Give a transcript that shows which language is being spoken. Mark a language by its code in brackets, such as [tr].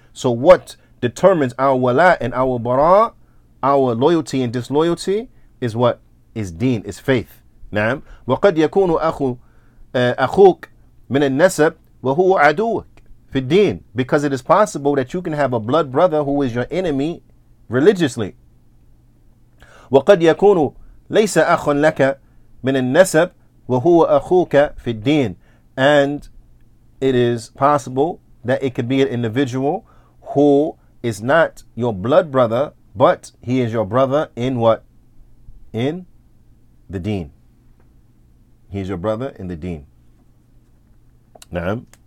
[en] So what determines our wala and our bara, our loyalty and disloyalty, is what? Is deen, is faith. Na'am. [ar] Wa qad yakunu akhuk min al-nasab wa huwa aduwak fi al-deen. [en] Because it is possible that you can have a blood brother who is your enemy religiously. [ar] وقد يكون ليس أخ لك من النسب وهو أخوك في الدين. [en] And it is possible that it could be an individual who is not your blood brother, but he is your brother in what? In the deen. He is your brother in the deen. Na'am.